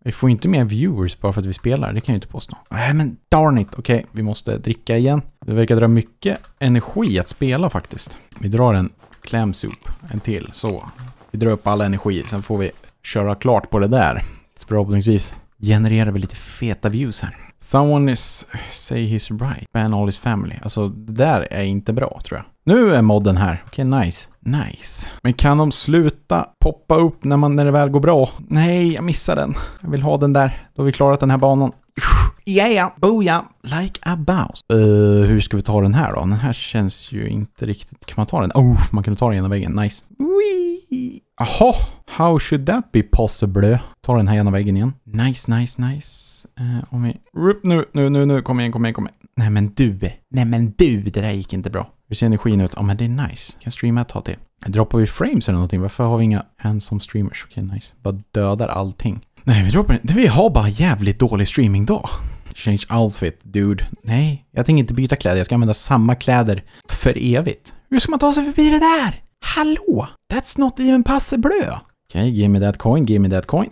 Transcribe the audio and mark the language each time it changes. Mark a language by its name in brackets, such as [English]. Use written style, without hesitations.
[Swedish] Vi får inte mer viewers bara för att vi spelar. Det kan jag ju inte påstå. Nej, men [English] darn it. [Swedish] Okej, okay, vi måste dricka igen. Det verkar dra mycket energi att spela faktiskt. Vi drar en klämsop. En till. Så. Vi drar upp all energi. Sen får vi köra klart på det där. Förhoppningsvis genererar vi lite feta views här. [English] Someone is say he's right. Ban all his family. [Swedish] Alltså, det där är inte bra, tror jag. Nu är modden här. Okej, okay, nice. Nice. Men kan de sluta poppa upp när det väl går bra? Nej, jag missar den. Jag vill ha den där. Då har vi klarat den här banan. Yeah, booyah. [English] Like a boss. [Swedish] Hur ska vi ta den här då? Den här känns ju inte riktigt. Kan man ta den? Oh, man kan ta den genom väggen. Nice. Wee. Aha. [English] How should that be possible? [Swedish] Ta den här genom väggen igen. Nice, nice, nice. Om vi... Nu. Kom igen, kom igen, kom igen. Nej men du, det där gick inte bra. Hur ser energin ut? Ja, men det är nice. Kan streama ett tag till. Droppar vi frames eller någonting? Varför har vi inga handsome streamers? Okej, okay, nice. Bara dödar allting. Nej, vi droppar inte. Vi har bara jävligt dålig streaming då. [English] Change outfit, dude. [Swedish] Nej, jag tänker inte byta kläder. Jag ska använda samma kläder för evigt. Hur ska man ta sig förbi det där? Hallå? [English] That's not even passable. Okej, okay, give me that coin.